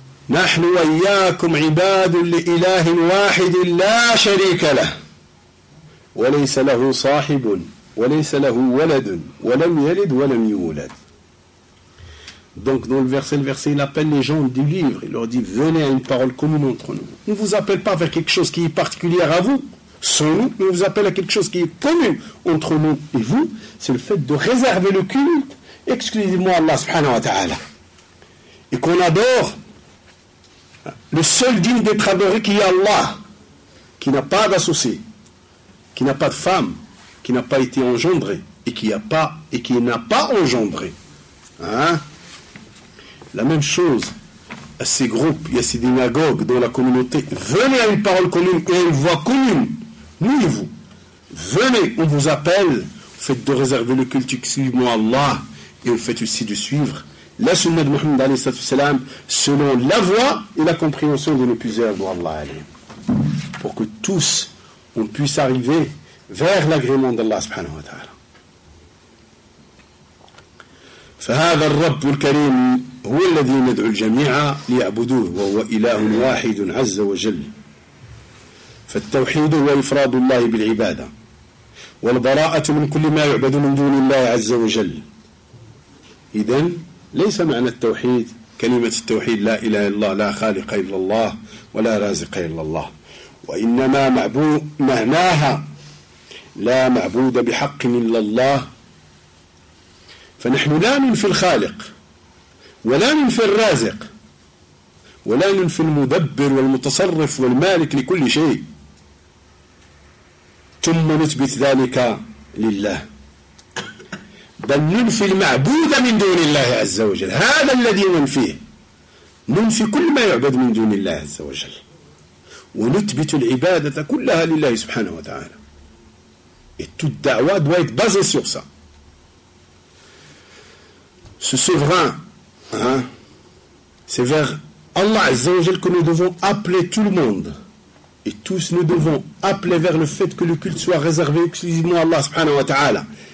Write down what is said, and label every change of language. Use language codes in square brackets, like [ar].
[ar] نحن وإياكم عباد لإله واحد لا شريك له وليس له صاحب وليس له ولد ولم يلد ولم يولد. [fr] Donc dans le verset il appelle les gens du livre, il leur dit venez à une parole commune entre nous. On ne vous appelle pas vers quelque chose qui est particulière à vous, sans nous, mais on vous appelle à quelque chose qui est commun entre nous et vous, c'est le fait de réserver le culte exclusivement à Allah subhanahu wa ta'ala. Et qu'on adore le seul digne d'être adoré qui est Allah, qui n'a pas d'associé, qui n'a pas de femme, qui n'a pas été engendré, et qui n'a pas engendré. Hein? La même chose à ces groupes, il y a ces démagogues dans la communauté. Venez à une parole commune et à une voix commune. Nous et vous. Venez, on vous appelle. Vous faites de réserver le culte exclusivement à Allah. Et vous faites aussi de suivre la sunna de Muhammad alayhi salatu salam selon la voix et la compréhension de nos puiseurs de Allah alayhi. Pour que tous on puisse arriver vers l'agrément d'Allah subhanahu wa ta'ala. [ar] فهذا الرب الكريم هو الذي ندعو الجميع ليعبدوه وهو إله واحد عز وجل. فالتوحيد هو إفراد الله بالعبادة والبراءة من كل ما يعبد من دون الله عز وجل. إذن ليس معنى التوحيد كلمة التوحيد لا إله إلا الله لا خالق إلا الله ولا رازق إلا الله، وإنما معبود معناها لا معبود بحق إلا الله. فنحن لا ننفي الخالق ولا ننفي الرازق ولا ننفي المدبر والمتصرف والمالك لكل شيء، ثم نثبت ذلك لله، بل ننفي المعبود من دون الله عز وجل. هذا الذي ننفيه، ننفي كل ما يعبد من دون الله عز وجل، ونثبت العبادة كلها لله سبحانه وتعالى. [fr] Toute da'wa doit être basée sur ça. Ce souverain, hein, c'est vers Allah Azza wa Jal que nous devons appeler tout le monde. Et tous nous devons appeler vers le fait que le culte soit réservé exclusivement à Allah subhanahu wa ta'ala.